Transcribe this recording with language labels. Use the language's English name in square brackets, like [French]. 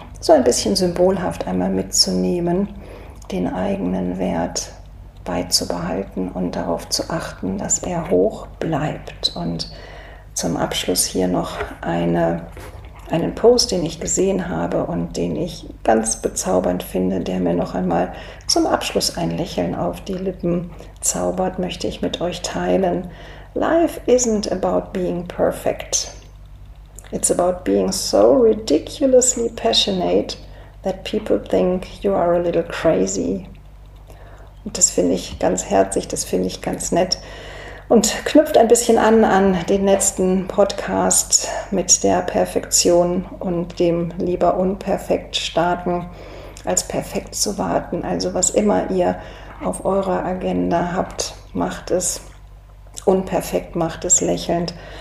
[German] So ein bisschen symbolhaft einmal mitzunehmen, den eigenen Wert beizubehalten und darauf zu achten, dass er hoch bleibt. Und zum Abschluss hier noch einen Post, den ich gesehen habe und den ich ganz bezaubernd finde, der mir noch einmal zum Abschluss ein Lächeln auf die Lippen zaubert, möchte ich mit euch teilen. [English] Life isn't about being perfect. It's about being so ridiculously passionate that people think you are a little crazy. [German] Und das finde ich ganz herzig, das finde ich ganz nett und knüpft ein bisschen an den letzten Podcast mit der Perfektion und dem lieber unperfekt starten als perfekt zu warten. Also was immer ihr auf eurer Agenda habt, macht es unperfekt, macht es lächelnd.